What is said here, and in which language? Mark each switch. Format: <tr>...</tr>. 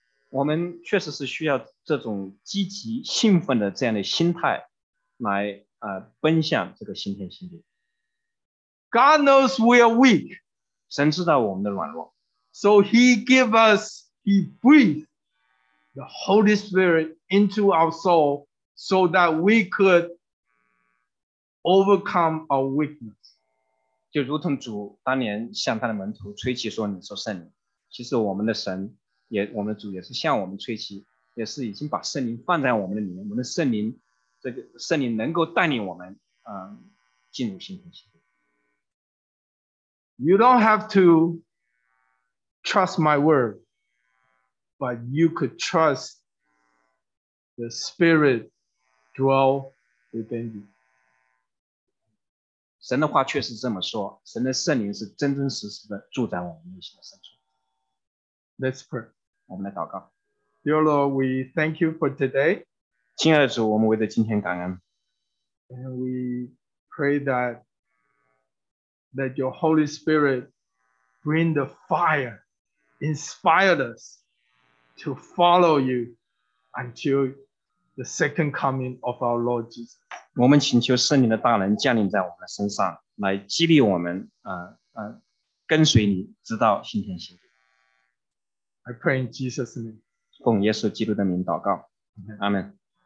<zh>我们确实是需要这种积极兴奋的这样的心态来奔向这个新天新地。</zh> <en>God knows we are weak.</en> <zh>神知道我们的软弱。</zh> <en>So he breathed. The Holy Spirit into our soul so that we could overcome our weakness.</en> <zh>就如同主当年向他的门徒吹气说，你说圣灵，其实我们的神也，我们的主也是向我们吹气，也是已经把圣灵放在我们的里面，我们的圣灵，这个圣灵能够带领我们进入新天新地。</zh> <en>You don't have to trust my word. But you could trust the Spirit dwell within you.</en> <zh>神的话确实这么说，神的圣灵是真真实实的住在我们内心的深处。</zh> <en>Let's pray.</en> <zh>我们来祷告。</zh> <en>Dear Lord, we thank you for today.</en> <zh>亲爱的主，我们为着今天感恩。</zh> <en>And we pray that that your Holy Spirit bring the fire, inspire us to follow you until the second coming of our Lord Jesus.</en> <zh>我们请求圣灵的大能降临在我们的身上，来激励我们，跟随你直到新天新地。</zh> <en>I pray in Jesus' name.</en> <zh>奉耶稣基督的名祷告。阿门。</zh>